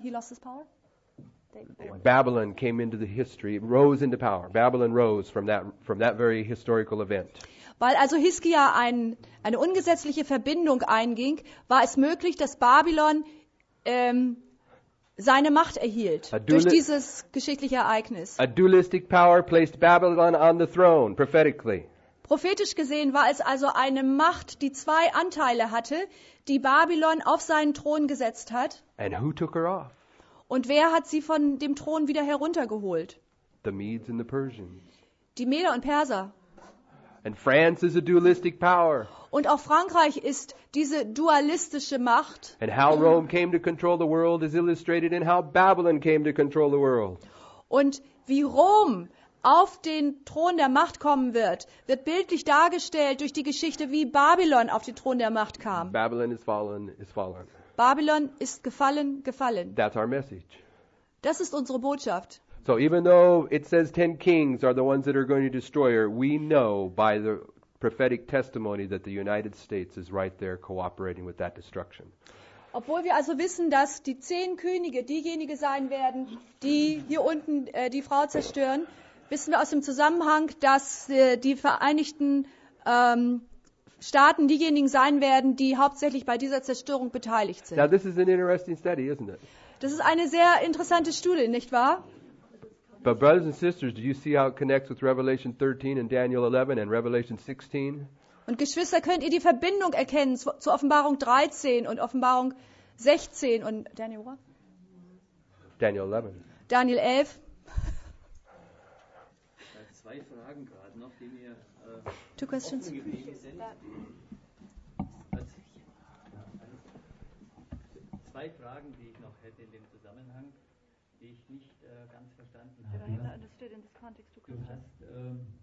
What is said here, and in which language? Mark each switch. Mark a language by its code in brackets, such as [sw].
[en] he lost his power. Babylon came into the history, rose into power. Babylon rose from that very historical event. [de] Weil also Hiskia eine ungesetzliche Verbindung einging, war es möglich, dass Babylon seine Macht erhielt durch dieses geschichtliche Ereignis. [en] A dualistic power placed Babylon on the throne, prophetically. [de] Prophetisch gesehen war es also eine Macht, die zwei Anteile hatte, die Babylon auf seinen Thron gesetzt hat. [en] And who took her off? [de] Und wer hat sie von dem Thron wieder heruntergeholt? [en] The Medes and the Persians. [de] Die Meder und Perser. [en] And France is a dualistic power. [de] Und auch Frankreich ist diese dualistische Macht. [en] And how Rome came to control the world is illustrated in how Babylon came to control the world. [de] Und wie Rom auf den Thron der Macht kommen wird, wird bildlich dargestellt durch die Geschichte, wie Babylon auf den Thron der Macht kam. [en] Babylon is fallen, is fallen. [de] Babylon ist gefallen, gefallen. [en] That's our message. [de] Das ist unsere Botschaft. [en] So even though it says 10 kings are the ones that are going to destroy her, we know by the prophetic testimony that the United States is right there cooperating with that destruction. [de] Obwohl wir also wissen, dass die 10 Könige diejenigen sein werden, die hier unten die Frau zerstören, wissen wir aus dem Zusammenhang, dass die Vereinigten Staaten diejenigen sein werden, die hauptsächlich bei dieser Zerstörung beteiligt sind. [en] Now this is an interesting study, isn't it? [de] Das ist eine sehr interessante Studie, nicht wahr? [en] But brothers and sisters, do you see how it connects with Revelation 13 and Daniel 11 and Revelation 16? [de] Und Geschwister, könnt ihr die Verbindung erkennen zu Offenbarung 13 und Offenbarung 16 und Daniel? [en] What? Daniel 11. [de] Daniel 11. Zwei Fragen gerade noch, die mir [en] Two questions. [de] Zwei Fragen, die ich noch hätte in dem Zusammenhang, die ich nicht ganz verstanden habe.